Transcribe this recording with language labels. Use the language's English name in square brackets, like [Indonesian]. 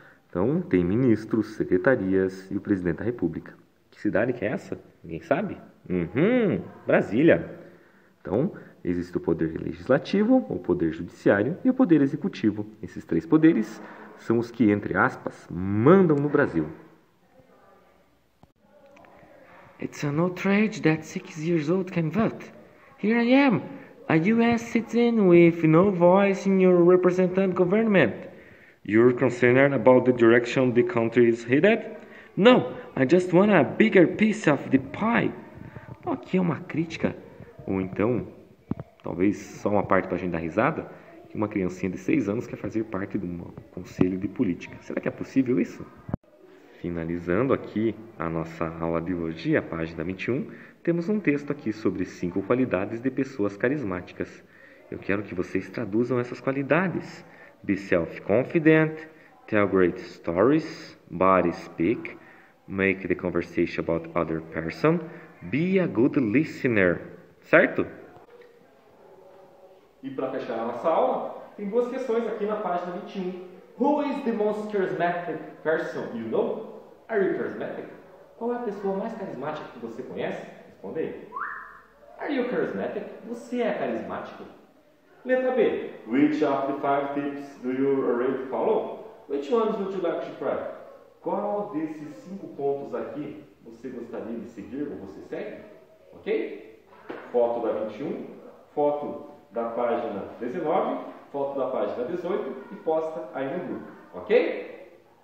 [Portuguese] Então tem ministros, secretarias e o presidente da república. Que cidade que é essa? Ninguém sabe? Brasília. Então existe o poder legislativo, o poder judiciário e o poder executivo. Esses três poderes são os que, entre aspas, mandam no Brasil. [English] It's an outrage that 6 years old can vote. Here I am, a U.S. citizen with no voice in your representative government. You're concerned about the direction the country is headed? No, I just want a bigger piece of the pie. [Portuguese] Aqui é uma crítica, ou então, talvez só uma parte pra gente dar risada, que uma criancinha de 6 anos quer fazer parte de um conselho de política. Será que é possível isso? Finalizando aqui a nossa aula de hoje, a página 21, temos um texto aqui sobre 5 qualidades de pessoas carismáticas. Eu quero que vocês traduzam essas qualidades. [English] Be self-confident, tell great stories, body speak, make the conversation about other person, be a good listener. [Portuguese] Certo? E para fechar a nossa aula, tem 2 questões aqui na página 21. [English] Who is the most charismatic person you know? Are you charismatic? [Portuguese] Qual é a pessoa mais carismática que você conhece? Responde aí. [English] Are you charismatic? [Portuguese] Você é carismático? Letra B. [English] Which of the five tips do you already follow? Which ones would you like to try? [Portuguese] Qual desses cinco pontos aqui você gostaria de seguir ou você segue? Ok? Foto da 21, foto da página 19, foto da página 18 e posta aí no grupo. Ok?